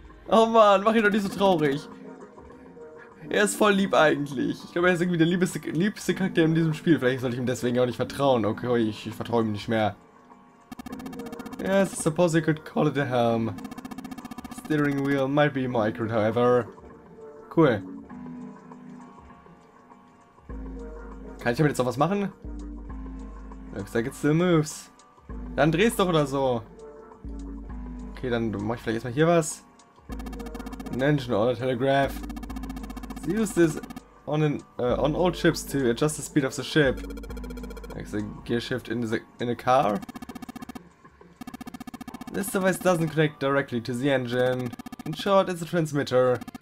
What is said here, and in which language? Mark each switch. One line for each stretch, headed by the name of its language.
German: Oh man, mach ihn doch nicht so traurig. Er ist voll lieb eigentlich. Ich glaube, er ist irgendwie der liebste Charakter in diesem Spiel. Vielleicht soll ich ihm deswegen auch nicht vertrauen. Okay, ich vertraue ihm nicht mehr.
English: Yes, I suppose you could call it a helm. Steering wheel might be more accurate, however. Cool.
German: Kann ich damit jetzt noch was machen?
English: Looks like it still moves.
German: Dann dreh's doch oder so. Okay, dann mach ich vielleicht erstmal hier was.
English: An engine order telegraph. Use this on old ships to adjust the speed of the ship. Like the gear shift in a car. This device doesn't connect directly to the engine. In short, it's a transmitter.